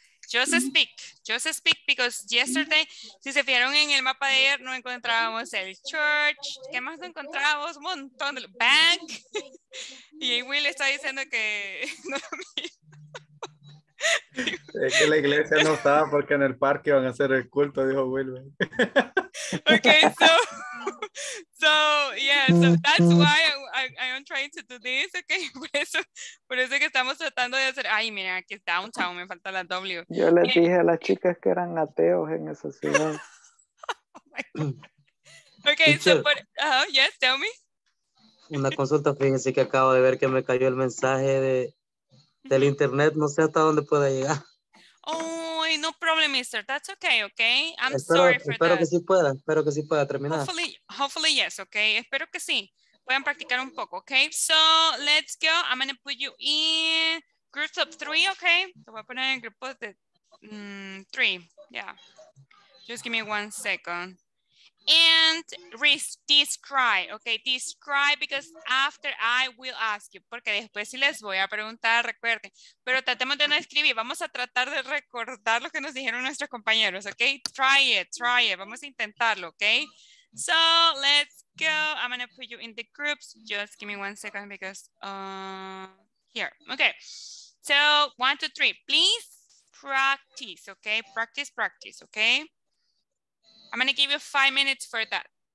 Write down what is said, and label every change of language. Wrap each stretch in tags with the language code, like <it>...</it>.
<en>Just speak, because yesterday,</en> <es>si se fijaron en el mapa de ayer, no encontrábamos el church. ¿Qué más no encontrábamos? Un montón de bank. Y Will está diciendo que no lo mismo. Es que la iglesia no estaba porque en el parque iban a hacer el culto, dijo Will.</es> <en>Okay, so. So, yeah, so that's why I am trying to do this, okay?</en> <es>Por eso que estamos tratando de hacer, ay, mira, aquí es downtown, me falta la W. Yo les dije a las chicas que eran ateos en esa ciudad.</es> <en>Oh, okay, so, but, yes, tell me.</en> <es>Una consulta, fíjense que acabo de ver que me cayó el mensaje del internet, no sé hasta dónde pueda llegar.</es> <en>Oh, no problem, mister. That's okay, okay? I'm</en> <es>espero que sí pueda terminar.</es> <en>Hopefully yes, okay?</en> <es>Espero que sí. Pueden practicar un poco,</es> <en>okay? So, let's go. I'm going to put you in groups of three, okay?</en> <es>Te voy a poner en grupos de three, yeah.</es> <en>Just give me one second. And describe, okay? Describe because after I will ask you,</en> <es>porque después sí les voy a preguntar, recuerden. Pero tratemos de no escribir, vamos a tratar de recordar lo que nos dijeron nuestros compañeros, okay?</es> <en>Try it,</en> <es>vamos a intentarlo, okay?</es> <en>So let's go, I'm gonna put you in the groups, just give me one second because here, okay? So 1, 2, 3, please practice, okay? Practice, okay? I'm going to give you 5 minutes for that.</en>